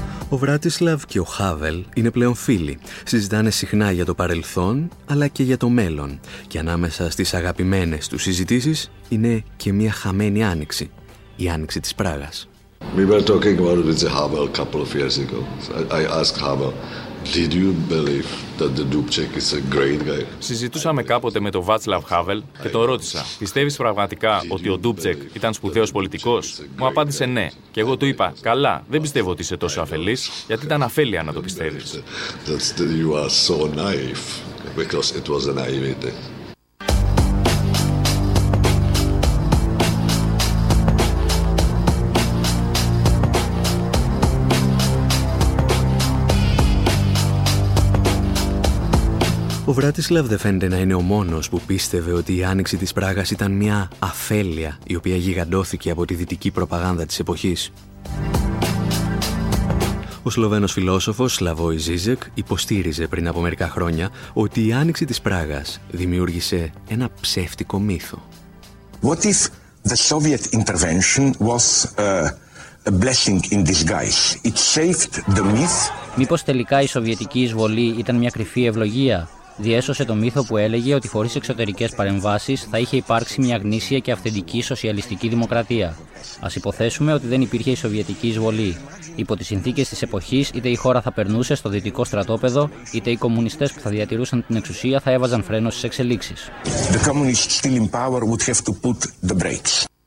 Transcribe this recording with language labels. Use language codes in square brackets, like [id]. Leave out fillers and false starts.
[el] Ο Βράτισλαβ και ο Χάβελ είναι πλέον φίλοι. Συζητάνε συχνά για το παρελθόν, αλλά και για το μέλλον. Και ανάμεσα στις αγαπημένες τους συζητήσεις είναι και μια χαμένη άνοιξη. Η άνοιξη της Πράγας. [en] We were talking about it with Havel a couple of years ago. I asked Havel, did you believe that the Dubček is a great guy? [el] Συζητούσαμε κάποτε με τον Βάτσλαβ Χάβελ και τον ρώτησα, πιστεύεις πραγματικά ότι ο Ντούμπτσεκ ήταν σπουδαίος πολιτικός? Μου απάντησε ναι. Και εγώ του είπα, καλά, δεν πιστεύω ότι είσαι τόσο αφελής, γιατί ήταν αφέλεια να το πιστεύεις. [en] You are so naive, because it was a naivety. [el] Ο Βράτισλαβ δεν φαίνεται να είναι ο μόνος που πίστευε ότι η άνοιξη της Πράγας ήταν μια αφέλεια η οποία γιγαντώθηκε από τη δυτική προπαγάνδα της εποχής. Ο Σλοβαίνος φιλόσοφος Σλαβόι Ζίζεκ υποστήριζε πριν από μερικά χρόνια ότι η άνοιξη της Πράγας δημιούργησε ένα ψεύτικο μύθο. [en] What if the Soviet intervention was a blessing in disguise? It saved the myth. [el] Μήπως τελικά η σοβιετική εισβολή ήταν μια κρυφή ευλογία? Διέσωσε το μύθο που έλεγε ότι χωρίς εξωτερικές παρεμβάσεις θα είχε υπάρξει μια γνήσια και αυθεντική σοσιαλιστική δημοκρατία. Ας υποθέσουμε ότι δεν υπήρχε η σοβιετική εισβολή. Υπό τις συνθήκες της εποχής, είτε η χώρα θα περνούσε στο δυτικό στρατόπεδο, είτε οι κομμουνιστές που θα διατηρούσαν την εξουσία θα έβαζαν φρένο στις εξελίξεις. [en] The communists still in power would have to put the brakes.